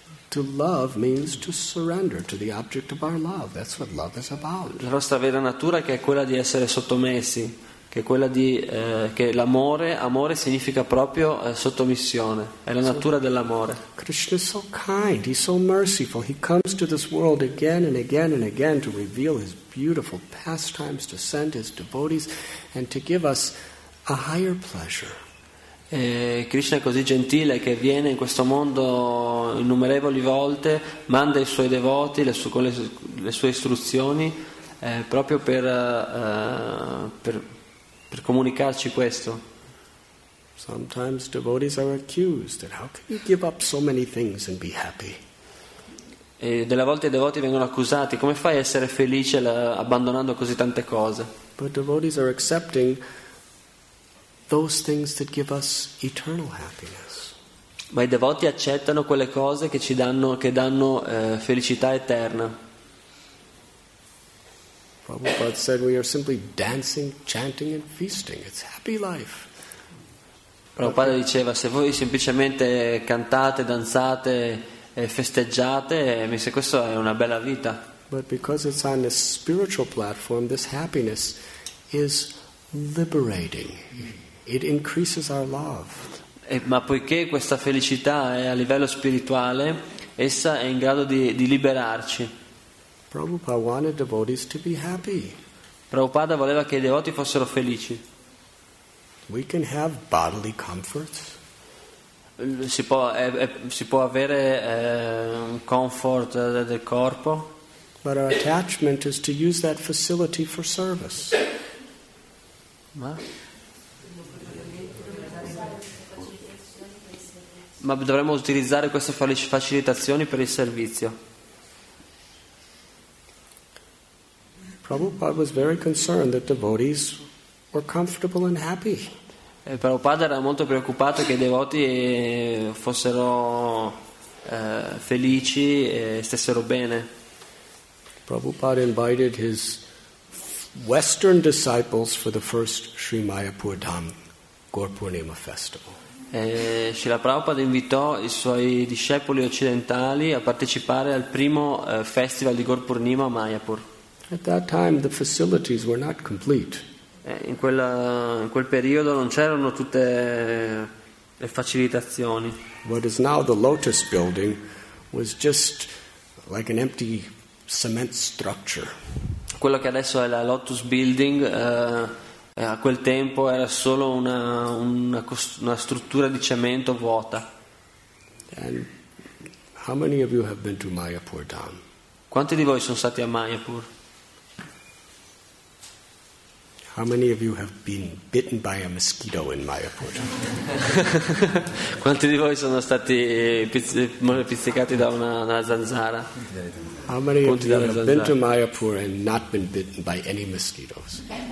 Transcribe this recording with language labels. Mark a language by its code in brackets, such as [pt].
[en] To love means to surrender to the object of our love. That's what love is about. [it] La nostra vera natura che è quella di essere sottomessi, che è quella di che l'amore significa proprio sottomissione. È la natura dell'amore. [en] Krishna is so kind. He's so merciful. He comes to this world again and again and again to reveal his beautiful pastimes, to send his devotees, and to give us a higher pleasure. [it] E Krishna è così gentile che viene in questo mondo innumerevoli volte, manda i suoi devoti con le sue istruzioni proprio per comunicarci questo. [en] Sometimes devotees are accused that how can you give up so many things and be happy? [it] E delle volte i devoti vengono accusati, come fai a essere felice abbandonando così tante cose? [en] But devotees are accepting those things that give us eternal happiness. [it] Ma i devoti accettano quelle cose che ci danno, che danno felicità eterna. [en] Prabhupada said, we are simply dancing, chanting and feasting. It's happy life. [it] Prabhupada diceva, se voi semplicemente cantate, danzate e festeggiate, mi sa questo è una bella vita. [en] But because it's on this spiritual platform, this happiness is liberating. It increases our love. [it] Ma poiché questa felicità è a livello spirituale, essa è in grado di liberarci. [en] Prabhupada wanted devotees to be happy. [it] Prabhupada voleva che i devoti fossero felici. [en] We can have bodily comforts. [it] Si può avere un comfort del corpo. [en] But our attachment is to use that facility for service. [it] Ma dovremmo utilizzare queste facilitazioni per il servizio. [en] Prabhupada was very concerned that devotees were comfortable and happy. [it] E Prabhupada era molto preoccupato che i devoti fossero felici e stessero bene. [en] Prabhupada invited his western disciples for the first Sri Mayapur Dham Gaurapurnima festival. [it] E Srila Prabhupada invitò i suoi discepoli occidentali a partecipare al primo festival di Gaurapurnima a Mayapur. [en] At that time the facilities were not complete. [it] In quel periodo non c'erano tutte le facilitazioni. [en] What is now the Lotus Building was just like an empty cement structure. [it] Quello che adesso è la Lotus Building, a quel tempo era solo una struttura di cemento vuota. [en] And how many of you have been to Mayapur Dham? [it] Quanti di voi sono stati a Mayapur? [en] How many of you have been bitten by a mosquito in Mayapur? [it] Quanti di voi sono stati pizzicati da una zanzara? [en] How many of you have been to Mayapur and not been bitten by any mosquitoes?